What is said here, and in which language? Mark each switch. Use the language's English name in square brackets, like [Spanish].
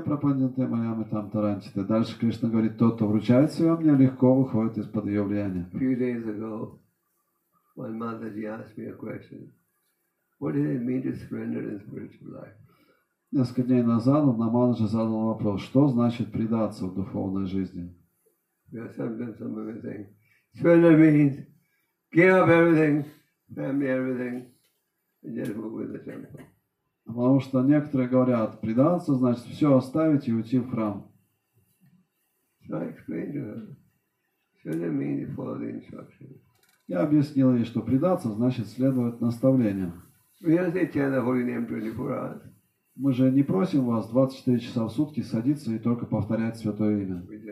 [Sanskrit] пропаданте, маяме там тарантите. [Russian] Дальше Кришна говорит, тот, кто вручает себя мне, легко выходит из-под ее влияния. [English] A few days ago, my Mataji asked me a question. What does it mean to surrender in spiritual life? [Russian] Несколько дней назад одна Мадхаджи задала вопрос, что значит предаться в духовной жизни? [English] Sometimes some of them think, surrender means give up everything, family everything, and just move with the temple. [Russian] Потому что некоторые говорят, предаться значит все оставить и уйти в храм. [English] So I explained to her, surrender means follow the instructions. [Russian] Я объяснил ей, что предаться значит следовать наставлениям. [English] We don't say chant the holy name 24 hours. [Russian] Мы же не просим вас 24 часа в сутки садиться и только повторять святое имя.